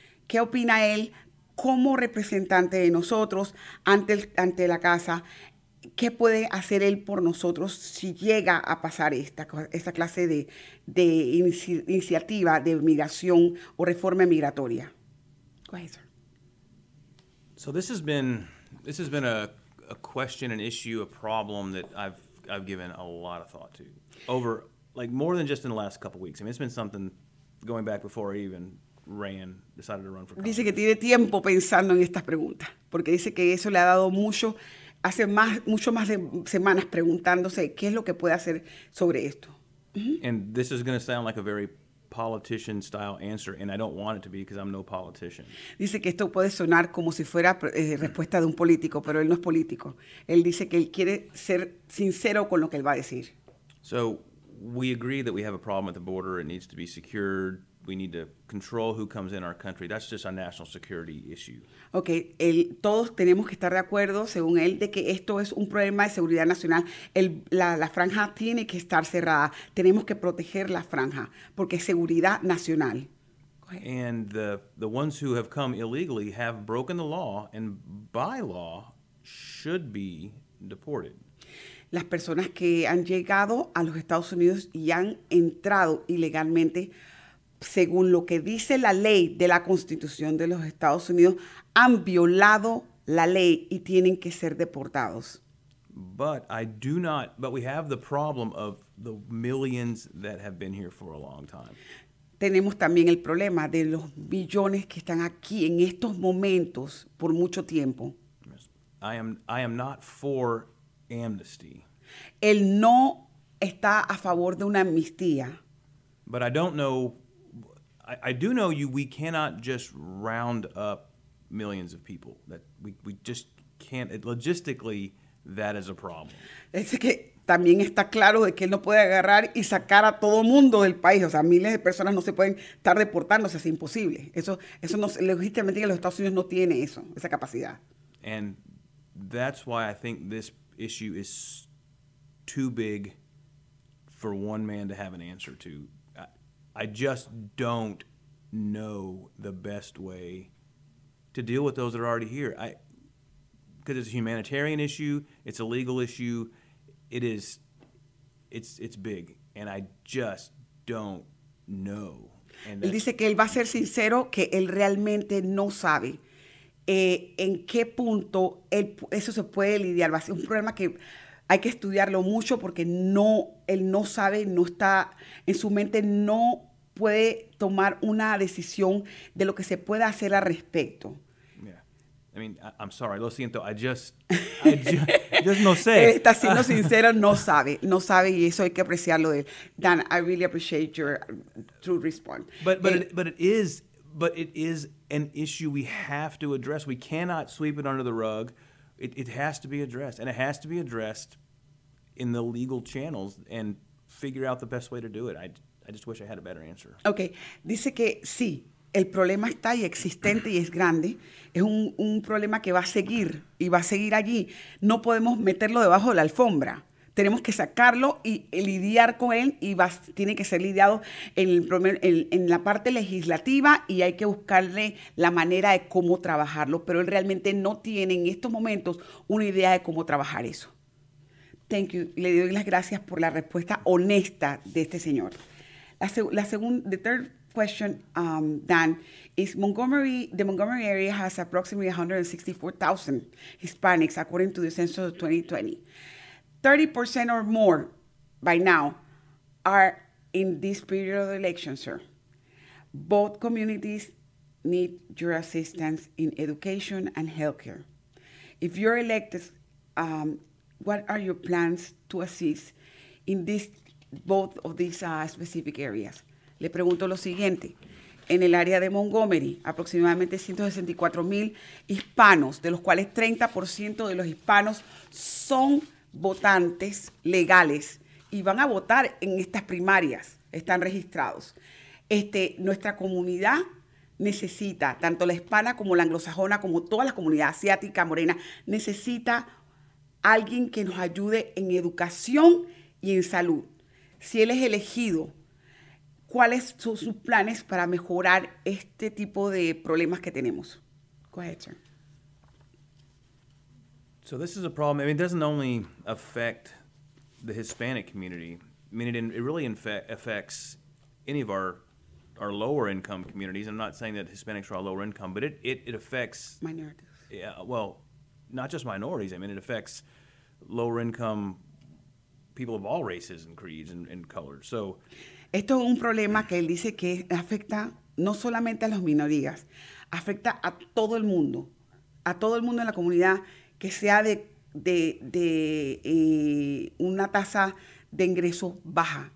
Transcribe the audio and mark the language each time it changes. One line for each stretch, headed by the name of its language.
Spanish: ¿Qué opina él como representante de nosotros ante la casa? ¿Qué puede hacer él por nosotros si llega a pasar esta clase de iniciativa de migración o reforma migratoria?
English: Go ahead, sir. So this has been a question, an issue, a problem that I've given a lot of thought to over like more than just in the last couple of weeks. I mean, it's been something going back before I even decided to run for
Spanish: Congress. Dice que tiene tiempo pensando en estas preguntas, porque dice que eso le ha dado mucho. Hace mucho más de semanas preguntándose qué es lo que puede hacer sobre esto. Mm-hmm.
English: And this is going to sound like a very politician style answer, and I don't want it to be because I'm no politician.
Spanish: Dice que esto puede sonar como si fuera respuesta de un político, pero él no es político. Él dice que él quiere ser sincero con lo que él va a decir.
English: So we agree that we have a problem at the border. It needs to be secured. We need to control who comes in our country. That's just a national security issue.
Spanish: Okay, todos tenemos que estar de acuerdo, según él, de que esto es un problema de seguridad nacional. La franja tiene que estar cerrada. Tenemos que proteger la franja porque es seguridad nacional.
English: And the ones who have come illegally have broken the law and by law should be deported.
Spanish: Las personas que han llegado a los Estados Unidos y han entrado ilegalmente, según lo que dice la ley de la Constitución de los Estados Unidos, han violado la ley y tienen que ser deportados.
English: But we have the problem of the millions that have been here for a long time.
Spanish: Tenemos también el problema de los millones que están aquí en estos momentos por mucho tiempo.
English: I am not for amnesty.
Spanish: Él no está a favor de una amnistía.
English: But I don't know. I do know we cannot just round up millions of people. That we just can't. Logistically, that is a problem.
Spanish: Es que también está claro de que él no puede agarrar y sacar a todo mundo del país. O sea, miles de personas no se pueden estar deportando. O sea, es imposible. Eso no, logísticamente en los Estados Unidos no tiene eso, esa capacidad.
English: And that's why I think this issue is too big for one man to have an answer to. I just don't know the best way to deal with those that are already here. Because it's a humanitarian issue, it's a legal issue, it's big, and I just don't know.
Spanish: Él dice que él va a ser sincero, que él realmente no sabe en qué punto eso se puede lidiar. Va a ser un problema que hay que estudiarlo mucho porque él no sabe, no está en su mente, no puede tomar una decisión de lo que se pueda hacer al respecto.
English: Yeah. I mean, I'm sorry,
Spanish: lo siento,
English: I just
Spanish: no sé. Él está siendo sincero, no sabe, y eso hay que apreciarlo de él.
English: Dan, I really appreciate your true response. But it is an issue we have to address. We cannot sweep it under the rug. It has to be addressed, and it has to be addressed in the legal channels and figure out the best way to do it. I just wish I had a better answer. Okay.
Spanish: Dice que sí, el problema está y existente y es grande. Es un problema que va a seguir y va a seguir allí. No podemos meterlo debajo de la alfombra. Tenemos que sacarlo y lidiar con él y tiene que ser lidiado en la parte legislativa y hay que buscarle la manera de cómo trabajarlo. Pero él realmente no tiene en estos momentos una idea de cómo trabajar eso.
English: Thank you.
Spanish: Le doy las gracias por la respuesta honesta de este señor.
English: The third question, Dan, is the Montgomery area has approximately 164,000 Hispanics, according to the census of 2020. 30% or more by now are in this period of the election, sir, both communities need your assistance in education and healthcare. If you're elected, what are your plans to assist in this both of these specific areas?
Spanish: Le pregunto lo siguiente. En el área de Montgomery, aproximadamente 164,000 hispanos, de los cuales 30% de los hispanos son votantes legales y van a votar en estas primarias, están registrados. Nuestra comunidad necesita, tanto la hispana como la anglosajona, como toda la comunidad asiática, morena, necesita alguien que nos ayude en educación y en salud. Si él es elegido, ¿cuáles son sus planes para mejorar este tipo de problemas que tenemos?
English: Go ahead, sir. So this is a problem. I mean, it doesn't only affect the Hispanic community. I mean, it really affects any of our lower income communities. I'm not saying that Hispanics are all lower income, but it affects minorities. Yeah, well, not just minorities. I mean, it affects lower income people of all races and creeds and colors. So
Spanish: esto es un problema que él dice que afecta no solamente a las minorías, afecta a todo el mundo en la comunidad, que sea de una tasa de ingreso baja.